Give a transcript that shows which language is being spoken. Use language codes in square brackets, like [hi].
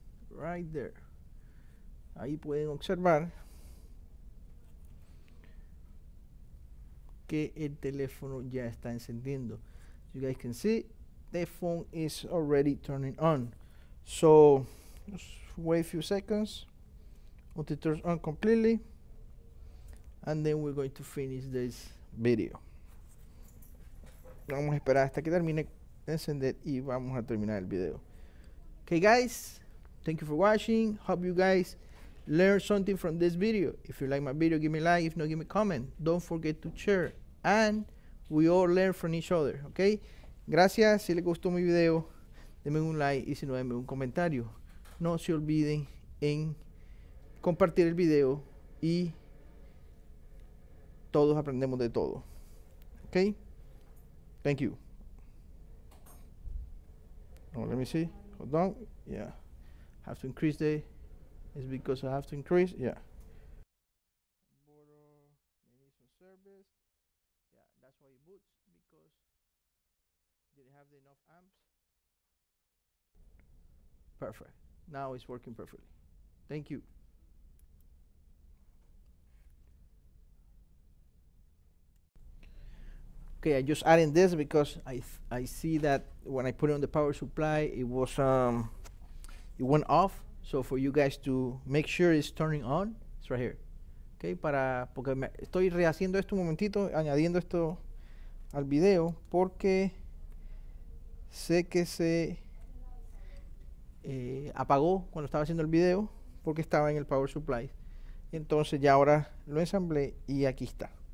[en] Right there. [es] Ahí pueden observar que el teléfono ya está encendiendo. [en] You guys can see the phone is already turning on. So, just wait a few seconds until it turns on completely. And then we're going to finish this video. [es] Vamos a esperar hasta que termine de encender y vamos a terminar el video. [en] Okay, guys, thank you for watching. Hope you guys learn something from this video. If you like my video, give me a like. If not, give me a comment. Don't forget to share. And we all learn from each other, okay? [es] Gracias. Si les gustó mi video, denme un like y si no, denme un comentario. No se olviden en compartir el video y todos aprendemos de todo, okay? [en] Thank you. Oh, let me see. Hold on. Yeah. Have to increase the... It's because I have to increase, yeah. Borrow service. Yeah, that's why it boots, because didn't have enough amps. Perfect. Now it's working perfectly. Thank you. Okay, I'm just adding this because I see that when I put it on the power supply, it was it went off. So for you guys to make sure it's turning on, it's right here. [es] Okay, para porque me estoy rehaciendo esto un momentito, añadiendo esto al video porque sé que se apagó cuando estaba haciendo el video porque estaba en el power supply. Entonces ya ahora lo ensamblé y aquí está.